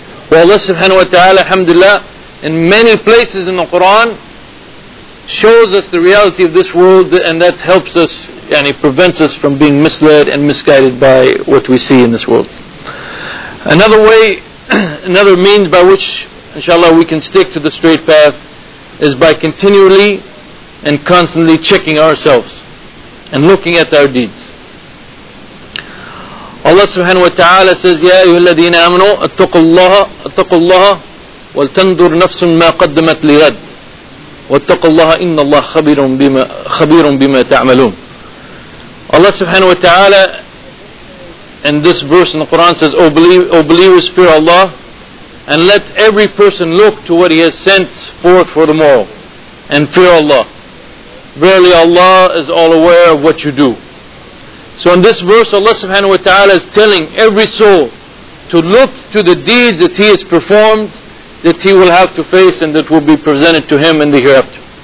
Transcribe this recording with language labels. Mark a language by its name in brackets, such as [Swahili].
[English] Well, Allah subhanahu wa ta'ala, alhamdulillah, in many places in the Quran shows us the reality of this world, and that helps us and it prevents us from being misled and misguided by what we see in this world. Another way, another means by which inshallah we can stick to the straight path is by continually and constantly checking ourselves and looking at our deeds. Allah subhanahu wa ta'ala says, [Arabic] يَا أَيُّهَا الَّذِينَ آمَنُوا اتَّقُوا اللَّهَ وَلْتَنْظُرْ نَفْسٌ مَا قَدَّمَتْ لِغَدْ وَاتَّقُوا اللَّهَ إِنَّ اللَّهَ خَبِيرٌ بِمَا تَعْمَلُونَ. [English] Allah subhanahu wa ta'ala in this verse in the Quran says, O believers, fear Allah and let every person look to what He has sent forth for the morrow and fear Allah. Verily Allah is all aware of what you do. So in this verse, Allah subhanahu wa ta'ala is telling every soul to look to the deeds that he has performed, that he will have to face and that will be presented to him in the hereafter.